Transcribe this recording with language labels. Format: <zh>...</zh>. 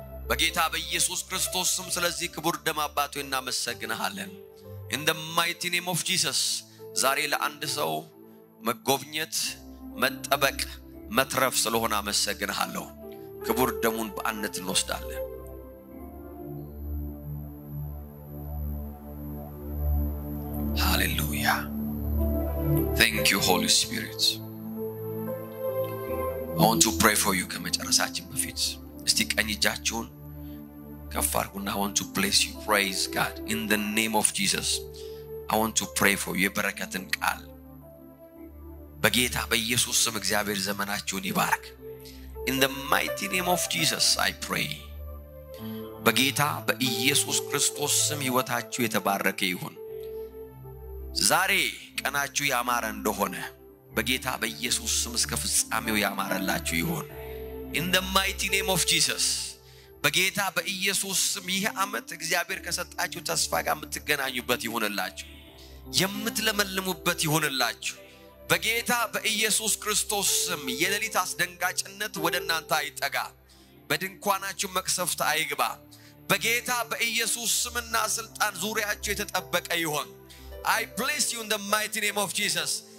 <am>በጌታ በኢየሱስ ክርስቶስም ስለዚህ ክብር ደም አባቱ እናመሰግናለን</am> <en>in the mighty name of jesus</en> <am>ዛሬ ለአንድ ሰው መጎብኘት መጠበቅ መትረፍ ስለሆነ አመሰግናለሁ ክብር ደሙን በአንተ እንወስዳለን Hallelujah.</am> <en>Thank you, Holy Spirit. I want to pray for you.</en> <am>ከመጨረሳችን በፊት እስቲ ቀኝ እጃችሁን ከፍ አድርጉና</am> <en>I want to bless you. Praise God. In the name of Jesus, I want to pray for you.</en> <am>የበረከትን ቃል በጌታ በኢየሱስ ስም እግዚአብሔር ዘመናችሁን ይባርክ.</am> <en>In the mighty name of Jesus, I pray.</en> <am>በጌታ በኢየሱስ ክርስቶስ ስም ሕይወታችሁ የተባረከ ይሁን. ዛሬ ቀናችሁ ያማረ እንደሆነ በጌታ በኢየሱስ ስም እስከ ፍጻሜው ያማረላችሁ ይሁን</am> <en>in the mighty name of jesus</en> <am>በጌታ በኢየሱስ ስም ይሄ አመት እግዚአብሔር ከሰጣችሁ ተስፋ ጋር የምትገናኙበት ይሁንላችሁ የምትለመልሙበት ይሁንላችሁ በጌታ በኢየሱስ ክርስቶስ ስም የሌሊት አስደንጋጭነት ወደናንተ አይጠጋ በድንኳናችሁ መቅሰፍት አይግባ በጌታ በኢየሱስ ስምና ስልጣን ዙሪያችሁ የተጠበቀ ይሁን</am> <en>I bless you in the mighty name of Jesus.</en>